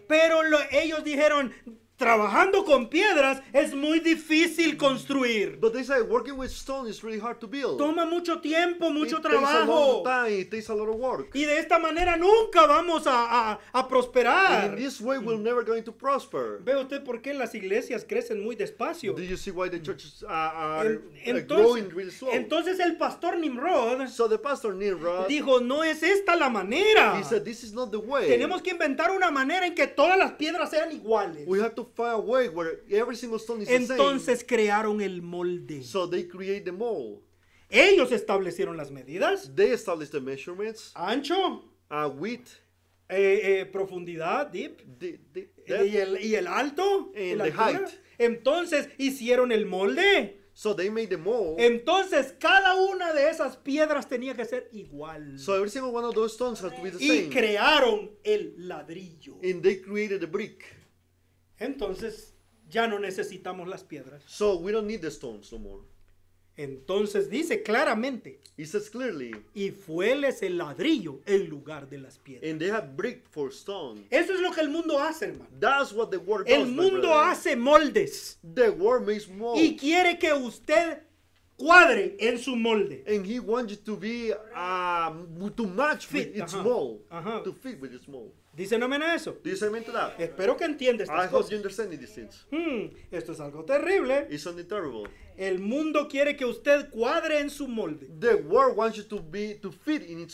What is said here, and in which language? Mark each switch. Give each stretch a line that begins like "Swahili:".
Spanish: Pero ellos dijeron, trabajando con piedras es muy difícil construir.
English: But they say working with stone is really hard to build.
Spanish: Toma mucho tiempo, mucho
English: it
Spanish: trabajo.
English: Takes a long time, it takes a lot of work.
Spanish: Y de esta manera nunca vamos a prosperar.
English: And in this way we're never going to prosper.
Spanish: ¿Ve usted por qué las iglesias crecen muy despacio?
English: Do you see why the churches are growing really slow?
Spanish: Entonces el pastor Nimrod,
English: so the pastor Nimrod
Spanish: dijo, no es esta la manera.
English: He said, this is not the way.
Spanish: Tenemos que inventar una manera en que todas las piedras sean iguales.
English: We have to find a way where every single stone is
Spanish: entonces
English: the same.
Spanish: Crearon el molde.
English: So they create the mold.
Spanish: Ellos establecieron las medidas.
English: They established the measurements.
Spanish: Ancho.
English: Width.
Spanish: Profundidad.
English: Deep. Deep.
Spanish: Y el alto.
English: And
Spanish: y
English: the
Spanish: altura.
English: Height.
Spanish: Entonces hicieron el molde.
English: So they made the mold.
Spanish: Entonces cada una de esas piedras tenía que ser igual.
English: So every single one of those stones had to be the
Spanish: y
English: same.
Spanish: Y crearon el ladrillo.
English: And they created the brick.
Spanish: Entonces, ya no necesitamos las piedras.
English: So, we don't need the stones no more.
Spanish: Entonces, dice claramente.
English: It says clearly.
Spanish: Y fueles el ladrillo en lugar de las piedras.
English: And they have brick for stone.
Spanish: Eso es lo que el mundo hace, hermano.
English: That's what the world
Spanish: el
English: does,
Spanish: el mundo hace moldes.
English: The world makes molds.
Spanish: Y quiere que usted cuadre en su molde.
English: And he wants you to be, to match fit. With its mold. Uh-huh. To fit with its mold.
Spanish: Dicen amén a eso. Dicen amén a eso. Espero que entiendas estas cosas.
English: I hope you understand these things.
Spanish: Esto es algo terrible.
English: It's something terrible.
Spanish: El mundo quiere que usted cuadre en su molde.
English: The world wants you to be to fit in its